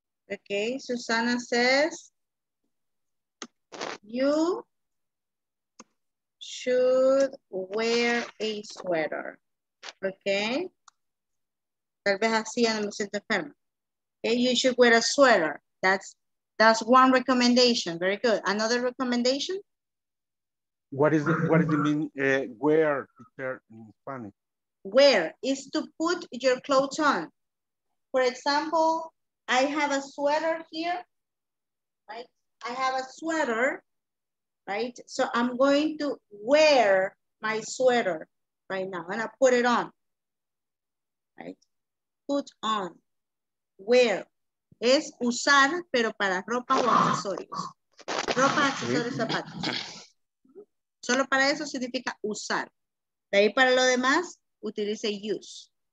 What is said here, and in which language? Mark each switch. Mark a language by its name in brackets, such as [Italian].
[English] Okay, Susana says, you should wear a sweater, okay? [Spanish] Tal vez así ya no me siento enferma. [English] Okay, you should wear a sweater. That's one recommendation. Very good. Another recommendation? What does it mean, wear, teacher, in Spanish? Wear is to put your clothes on. For example, I have a sweater here, right? I have a sweater. Right, so I'm going to wear my sweater right now and I put it on. [Spanish] Right, put on, wear es usar, pero para ropa o accesorios. Ropa, accesorios, zapatos. Solo para eso significa usar. De ahí para lo demás, utilice use.